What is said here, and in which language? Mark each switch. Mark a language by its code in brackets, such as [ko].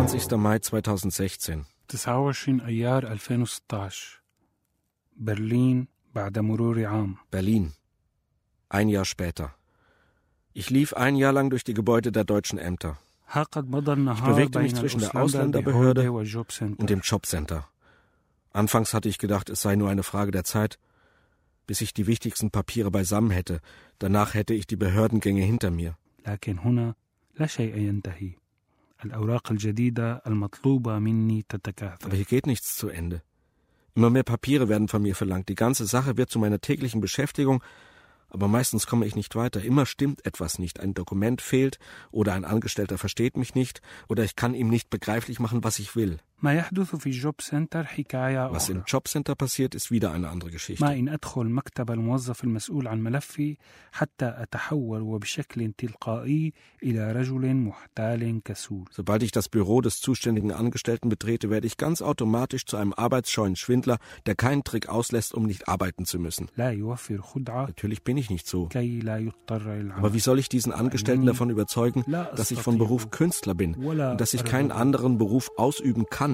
[de] Mai 2016. [ar] تسعة وعشرين أيار 2016. Berlin, بعد مرور عام. [de] Berlin. Ein Jahr später. Ich lief ein Jahr lang durch die Gebäude der deutschen Ämter. Ich bewegte mich zwischen der Ausländerbehörde und dem Jobcenter. Anfangs hatte ich gedacht, es sei nur eine Frage der Zeit, bis ich die wichtigsten Papiere beisammen hätte. Danach hätte ich die Behördengänge hinter mir. [ar] لكن هنا لا شيء ينتهي. الأوراق الجديدة المطلوبة مني تتكاثر. [de] Aber hier geht nichts zu Ende. Immer mehr Papiere werden von mir verlangt. Die ganze Sache wird zu meiner täglichen Beschäftigung. Aber meistens komme ich nicht weiter. Immer stimmt etwas nicht. Ein Dokument fehlt oder ein Angestellter versteht mich nicht oder ich kann ihm nicht begreiflich machen, was ich will. [ar] ما يحدث في جوب سنتر حكاية أخرى. [de] Was im Jobcenter passiert, ist wieder eine andere Geschichte. [ar] ما إن أدخل مكتب الموظف المسؤول عن ملفي حتى أتحول وبشكل تلقائي إلى رجل محتال كسول. [de] Sobald ich das Büro des zuständigen Angestellten betrete, werde ich ganz automatisch zu einem arbeitsscheuen Schwindler, der keinen Trick auslässt, um nicht arbeiten zu müssen. [ar] لا يوفر خدعة. [de] Natürlich bin ich nicht so. [ar] كي لا يضطر إلى العمل. [de] Aber wie soll ich diesen Angestellten davon überzeugen, dass ich von Beruf Künstler bin und dass ich keinen anderen Beruf ausüben kann?